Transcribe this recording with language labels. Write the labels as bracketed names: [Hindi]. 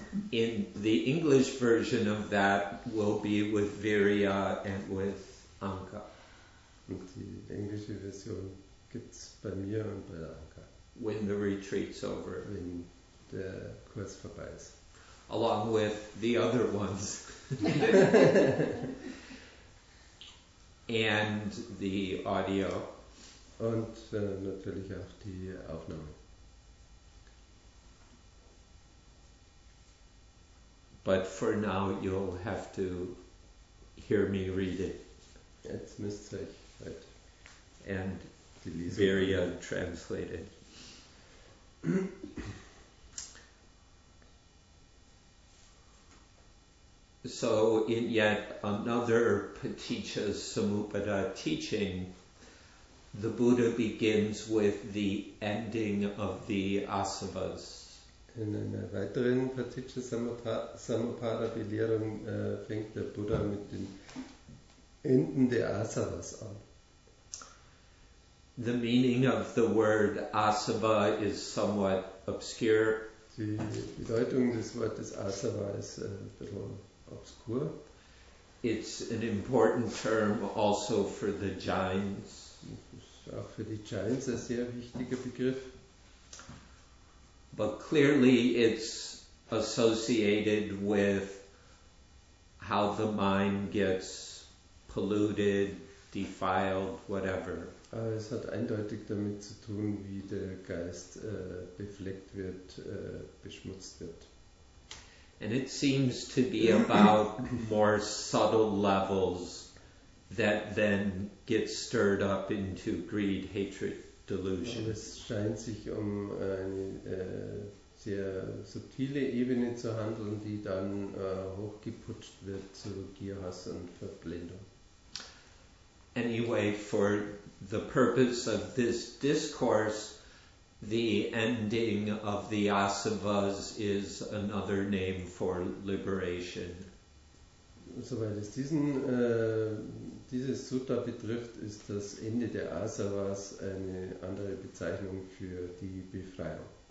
[English] In the English version of that will be with Virya and with Anka. [German] Und die englische Version gibt's bei mir und bei Anka. [English] When the retreat's over. When the [German] Kurs vorbei ist. [English] Along with the other ones. And the audio. [German] Und natürlich auch die Aufnahme. [English] But for now you'll have to hear me read it. [German] Jetzt müsst ihr euch halt. [English] And Virya translated. So, in yet another Paticca Samuppada teaching, the Buddha begins with the ending of the asavas. [German] In einer weiteren Paticca Samuppada Belehrung fängt der Buddha mit den Enden der asavas an. [English] The meaning of the word asava is somewhat obscure. [German] Die Bedeutung des Wortes asava ist ein bisschen obskur. [English] It's an important term also for the Jains. [German] Auch für die Jains ein sehr wichtiger Begriff. [English] But clearly it's associated with how the mind gets polluted, defiled, whatever. [German] Es hat eindeutig damit zu tun, wie der Geist befleckt wird, beschmutzt wird. [English] And it seems to be about more subtle levels that then get stirred up into greed, hatred, delusion. [German] Und es scheint sich um eine sehr subtile Ebene zu handeln, die dann hochgeputscht wird zu Gier, Hass und Verblendung. [English] Anyway, for the purpose of this discourse, the ending of the asavas is another name for liberation. [German] Soweit es dieses Sutta betrifft, ist das Ende der Asavas eine andere Bezeichnung für die Befreiung.